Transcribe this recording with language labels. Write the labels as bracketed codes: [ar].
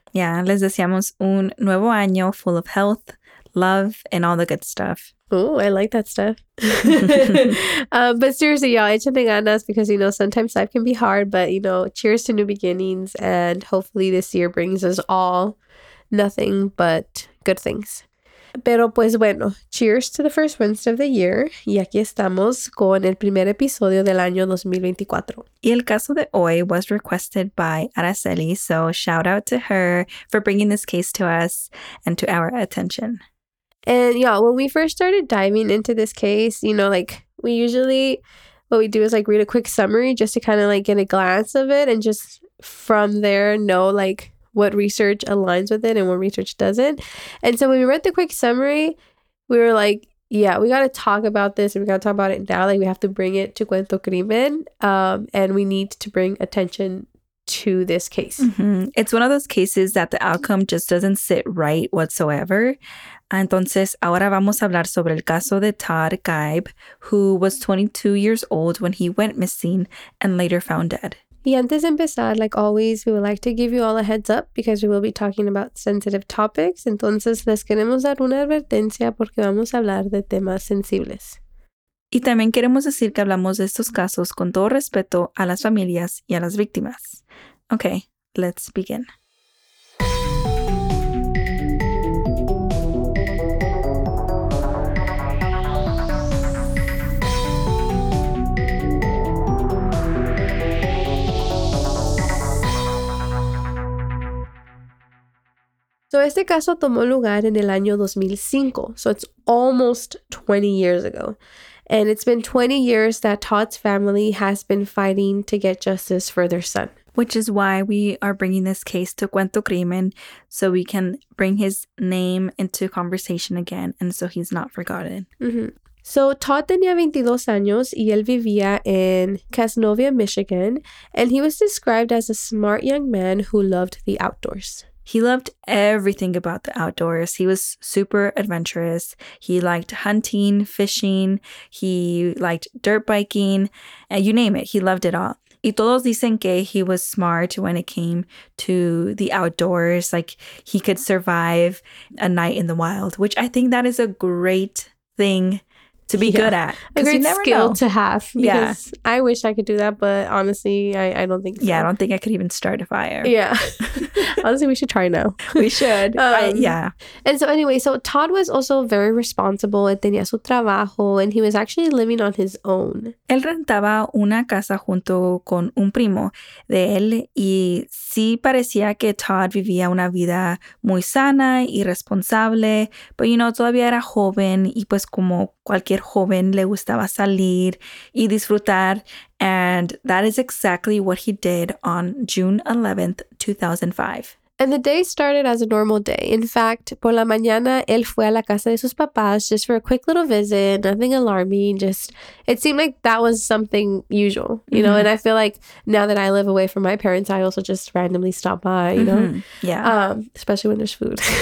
[en] Yeah. [es] Les deseamos un nuevo año [en] full of health, love, and all the good stuff. Oh, I like that stuff. but seriously, y'all, [es] échenle ganas [en] because, you know, sometimes life can be hard. But, you know, cheers to new beginnings. And hopefully this year brings us all nothing but good things. [es] Pero pues bueno, [en] cheers to the first Wednesday of the year. [es] Y aquí estamos con el primer episodio del año 2024. Y el caso de hoy [en] was requested by Araceli. So shout out to her for bringing this case to us and to our attention. And yeah, when we first started diving into this case, you know, like we usually, what we do is like read a quick summary just to kind of like get a glance of it and just from there know like what research aligns with it and what research doesn't. And so when we read the quick summary, we were like, yeah, we got to talk about this and we got to talk about it now. Like we have to bring it to Cuento Crimen and we need to bring attention to this case. Mm-hmm. It's one of those cases that the outcome just doesn't sit right whatsoever. [es] Entonces, ahora vamos a hablar sobre el caso de [en] Todd Gibe, who was 22 years old when he went missing and later found dead. [es] Y antes de empezar, [en] like always, we would like to give you all a heads up because we will be talking about sensitive topics. [es] Entonces, les queremos dar una advertencia porque vamos a hablar de temas sensibles. Y también queremos decir que hablamos de estos casos con todo respeto a las familias y a las víctimas. [en] Okay, let's begin. [es] So este caso tomó lugar en el año 2005, [en] so it's almost 20 years ago. And it's been 20 years that Todd's family has been fighting to get justice for their son. Which is why we are bringing this case to Cuento Crimen, so we can bring his name into conversation again, and so he's not forgotten. Mm-hmm. So Todd [es] tenía 22 años y él vivía en Casnovia, Michigan, [en] and he was described as a smart young man who loved the outdoors. He loved everything about the outdoors. He was super adventurous. He liked hunting, fishing. He liked dirt biking. You name it. He loved it all. [es] Y todos dicen que [en] he was smart when it came to the outdoors. Like he could survive a night in the wild, which I think that is a great thing to be good at. A great skill to have. Because I wish I could do that, but honestly, I don't think so. Yeah, I don't think I could even start a fire. Yeah. Honestly, we should try now. We should. And so anyway, so Todd was also very responsible. [es] Él tenía su trabajo [en] and he was actually living on his own. [es] Él rentaba una casa junto con un primo de él y sí parecía que Todd vivía una vida muy sana y responsable, pero, [en] you know, [es] todavía era joven y pues como cualquier joven le gustaba salir y disfrutar. [en] And that is exactly what he did on June 11th, 2005. And the day started as a normal day. In fact, [es] por la mañana, él fue a la casa de sus papás [en] just for a quick little visit, nothing alarming. Just, it seemed like that was something usual, you know? Mm-hmm. And I feel like now that I live away from my parents, I also just randomly stop by, you know? Yeah. Especially when there's food.